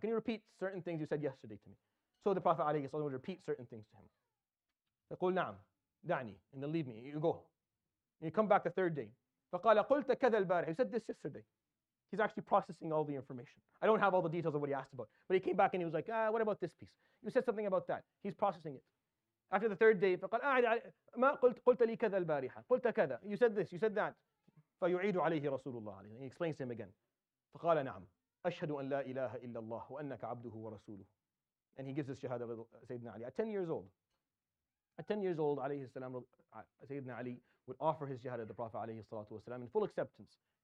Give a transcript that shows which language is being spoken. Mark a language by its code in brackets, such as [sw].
[en] Can you repeat certain things you said yesterday to me? So the Prophet عليه الصلاة والسلام would repeat certain things to him. [ar] فَقُلْ نَعْمْ دَعْنِي. [en] And then leave me. You go. And you come back the third day. [ar] فَقَالَ قُلْتَ كَذَا الْبَارِحِ. [en] He said this yesterday. He's actually processing all the information. I don't have all the details of what he asked about. But he came back and he was like, what about this piece? You said something about that. He's processing it. After the third day, [ar] فَقَالَ مَا قُلْتَ لِي كَذَا الْبَارِحَ. قُلْتَ كَذَا. [en] You said this, you said that. [ar] فَيُعِيدُ عَلَيْهِ رَسُولُ اللَّهِ. [en] He explains to him again. [ar] فَقَالَ نَعْمْ أَشْهَدُ أَنْ لَا إِلَهَ إِلَّا اللَّهُ وَأَنَّكَ عَبْدُهُ وَرَسُولُهُ. [en] And he gives this shahada to Sayyidina Ali. At 10 years old, alayhi salam, Sayyidina Ali would offer his jihad to the Prophet alayhi salatu wasalam, in full acceptance.